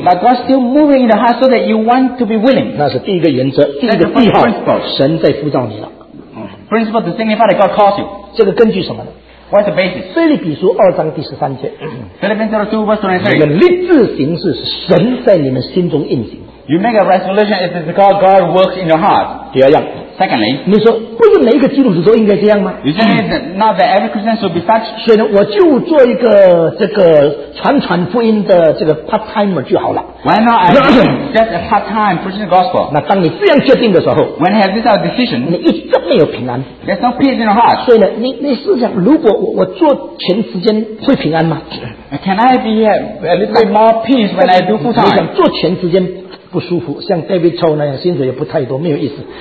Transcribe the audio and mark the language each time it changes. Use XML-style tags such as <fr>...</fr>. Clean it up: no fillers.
<en>But God still moving in the heart so that you want to be willing.</en> <zh>那是第一个原则，第一个记号。神在呼召你了。</zh> <en>Principle to signify that God calls you.</en> <zh>这个根据什么呢？</zh> <en>What's the basis?</en> <zh>腓立比书二章第十三节。</zh> <en>Philippians chapter 2:23.</en> <zh>你们立志行事是神在你们心中运行。</zh> <en>You make a resolution if it's because God works in your heart.</en> <zh>第二样。</zh> <en>Secondly,</en> <zh>你说不是每一个基督徒都应该这样吗？</zh> <en>You say not that every Christian should be such.</en> <zh>所以呢，我就做一个这个传传福音的这个 part timer 就好了。</zh> <en>Why not I mean, just a part time preaching the gospel?</en> <zh>那当你这样决定的时候，</zh> <en>when have this our decision,</en> <zh>你一直没有平安。</zh> <en>There's no peace in your heart.</en> <zh>所以呢，你试想，如果我做全时间会平安吗？</zh> <en>Can I be a little bit more peace when I do full time?</en> <zh>你想做全时间？不舒服，像 David Chow 那样薪水也不太多，没有意思。</zh>